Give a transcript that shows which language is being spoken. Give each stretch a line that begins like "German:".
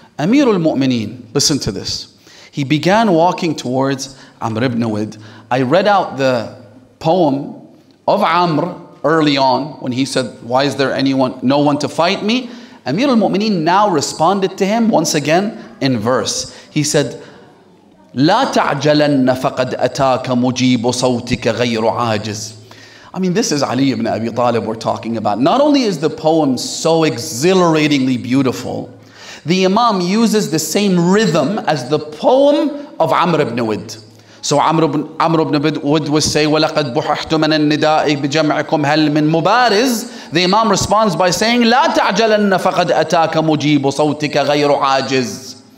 English: Amir al-Mu'mineen, listen to this. He began walking towards Amr ibn Wahb. I read out the poem of Amr early on when he said, why is there no one to fight me? Amir al-Mu'mineen now responded to him once again in verse. He said,
Arabic: لَا تَعْجَلَنَّ فَقَدْ أَتَاكَ مُجِيبُ صَوْتِكَ غَيْرُ عَاجِزٍ.
English: I mean, this is Ali ibn Abi Talib we're talking about. Not only is the poem so exhilaratingly beautiful, the Imam uses the same rhythm as the poem of Amr ibn Wahb. So Amr ibn Wahb would say,
Arabic: وَلَقَدْ بُحِحْتُ مَنَ النِّدَاءِ بِجَمْعِكُمْ هَلْ مِنْ مُبَارِزٍ.
English: The Imam responds by saying,
Arabic: لَا تَعْجَلَنَّ فَقَدْ أَتَاكَ مُجِيبُ صَوْتِكَ غَيْرُ عَاجِزٍ.